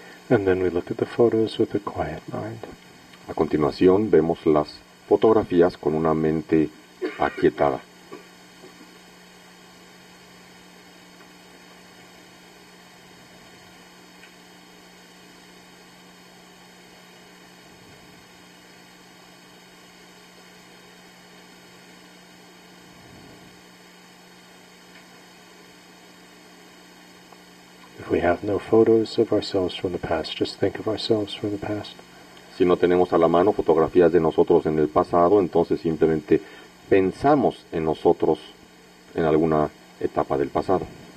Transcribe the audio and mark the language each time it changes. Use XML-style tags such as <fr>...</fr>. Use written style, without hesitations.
<en>And then we look at the photos with a quiet mind.</en> <es>A continuación vemos las fotografías con una mente aquietada.</es> <en>No photos of ourselves from the past, just think of ourselves from the past.</en> <es>Si no tenemos a la mano fotografías de nosotros en el pasado, entonces simplemente pensamos en nosotros en alguna etapa del pasado.</es>